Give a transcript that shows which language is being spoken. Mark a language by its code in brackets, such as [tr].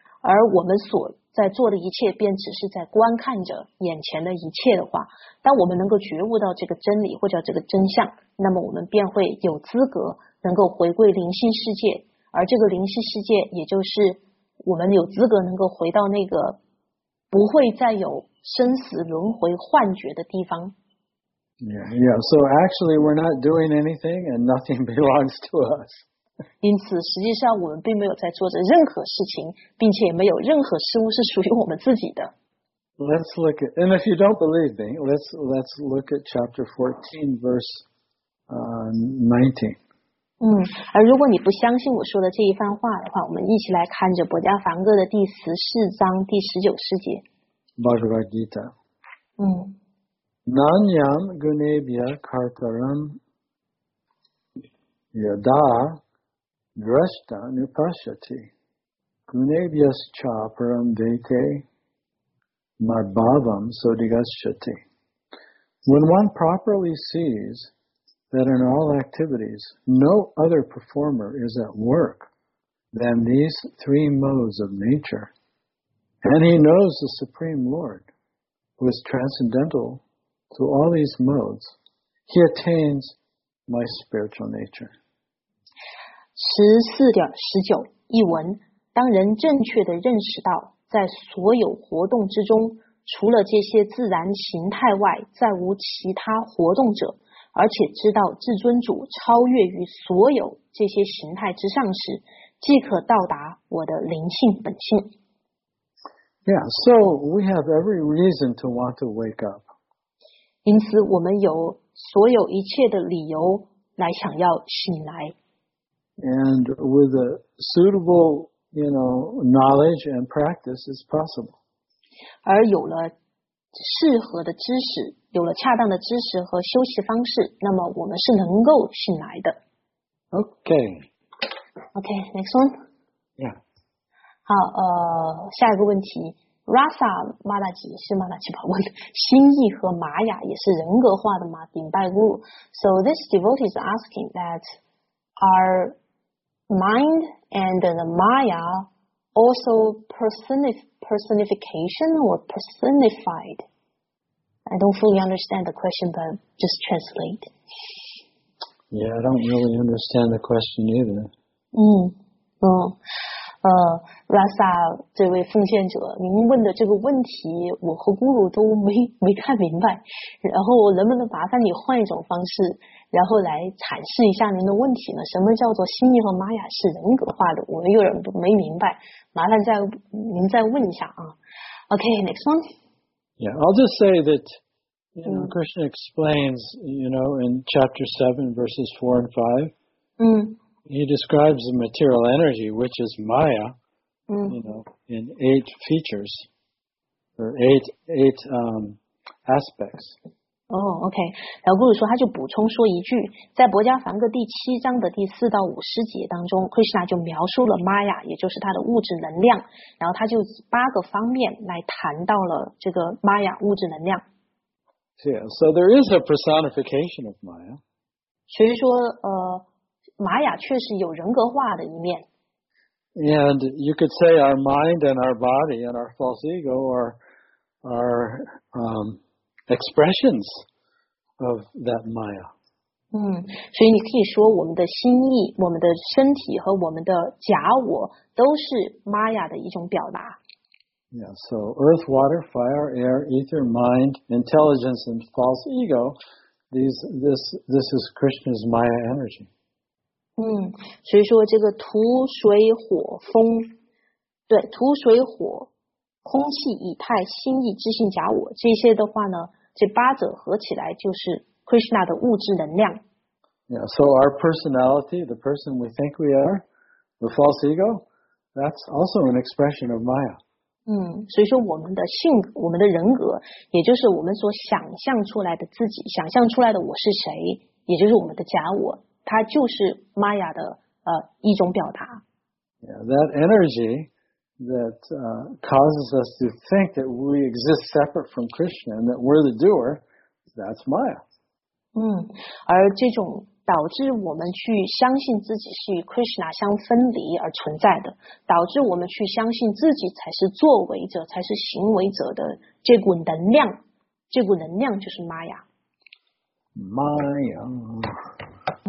[zh] 而我们所在做的一切便只是在观看着眼前的一切的话当我们能够觉悟到这个真理或者这个真相那么我们便会有资格能够回归灵性世界而这个灵性世界也就是我们有资格能够回到那个不会再有生死轮回幻觉的地方 [en] Yeah, so actually we're not doing anything and nothing belongs to us [zh] 因此实际上我们并没有在做着任何事情并且没有任何事物是属于我们自己的 [en] Let's look at and if you don't believe me let's look at chapter 14 verse 19 [zh] 而如果你不相信我说的这一番话的话我们一起来看着博迦梵歌的第十四章第十九世纪 [sa] Bhagavad Gita Nanyam Gunebhya Kartaram Yada Drashta Nupashati Gunebhyas Chaparam Dete Madbhavam Sodigashati [en] When one properly sees that in all activities no other performer is at work than these three modes of nature and he knows the Supreme Lord who is transcendental to all these modes he attains my spiritual nature [zh] 14.19 一文当人正确地认识到在所有活动之中除了这些自然形态外再无其他活动者而且知道至尊主超越于所有这些形态之上时即可到达我的灵性本性 [en] Yeah, so we have every reason to want to wake up [zh] 因此我们有所有一切的理由来想要醒来 [en] And with a suitable, you know, knowledge and practice, it's possible. [zh] 而有了适合的知识，有了恰当的知识和修习方式，那么我们是能够醒来的。 [en] Okay. Okay, next one. Yeah. [zh] 好，下一个问题。Rasa Madaji 是 Madaji 吧？问心意和玛雅也是人格化的吗？顶拜 Guru. [en] So this devotee is asking that are mind and the Maya also personification or personified? I don't fully understand the question, but just translate. Yeah, I don't really understand the question either. [zh] Rasa 这位奉献者，您问的这个问题，我和咕噜都没看明白。然后能不能麻烦你换一种方式，然后来阐释一下您的问题呢？什么叫做心意和玛雅是人格化的？我们有点没明白，麻烦您再问一下啊。 [en] Okay, next one. Yeah, I'll just say that, you know, Krishna explains, you know, in chapter 7, verses 4 and 5. He describes the material energy, which is Maya, you know, in eight features, or eight aspects. Oh, okay. [zh] 老古鲁说，他就补充说一句，在《博迦梵歌》第七章的第四到五十节当中，克里斯那就描述了 Maya， 也就是他的物质能量，然后他就八个方面来谈到了这个 Maya 物质能量。 [en] Yeah, so there is a personification of Maya. [zh] 所以说，玛雅确实有人格化的一面。 [en] And you could say our mind and our body and our false ego are expressions of that Maya. [zh] 所以你可以说我们的心意、我们的身体和我们的假我都是玛雅的一种表达。 [en] Yeah, so earth, water, fire, air, ether, mind, intelligence, and false ego. This is Krishna's Maya energy. [zh] 所以说这个土水火风，对，土水火空气以太心意知性假我，这些的话呢，这八者合起来就是 Krishna 的物质能量。 [en] Yeah, so our personality, the person we think we are, the false ego, that's also an expression of Maya. [zh] 所以说我们的性格，我们的人格，也就是我们所想象出来的自己，想象出来的我是谁，也就是我们的假我，它就是玛雅的一种表达。 [en] Yeah, that energy that causes us to think that we exist separate from Krishna and that we're the doer, that's Maya. [zh] 而这种导致我们去相信自己是与 Krishna 相分离而存在的，导致我们去相信自己才是作为者、才是行为者的这股能量，这股能量就是玛雅。 Maya.